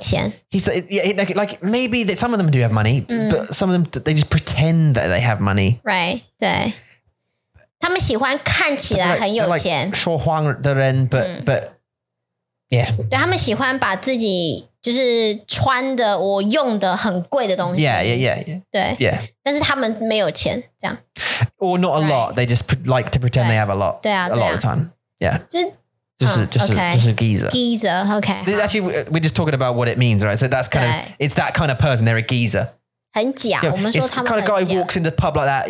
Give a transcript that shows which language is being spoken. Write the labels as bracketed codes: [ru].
[en] Maybe that some of them do have money, but some of them, they just pretend that they have money. Right, 对. [zh] 他们喜欢看起来很有钱. Like, 说谎的人, [en] but yeah. [zh] 对,他们喜欢把自己就是穿的或用的很贵的东西. [en] Yeah. [zh] 对. [en] Yeah. [zh] 但是他们没有钱,这样. [en] Or not a lot. They just like to pretend they have a lot. [zh] 对啊, [en] a lot of the time. Yeah. Just a geezer. Geezer, okay. Actually, we're just talking about what it means, right? So that's kind of, it's that kind of person. They're a geezer. [zh] 很假, [en] you know, [zh] 我们说他们很假. [en] It's kind of guy who walks into the pub like that.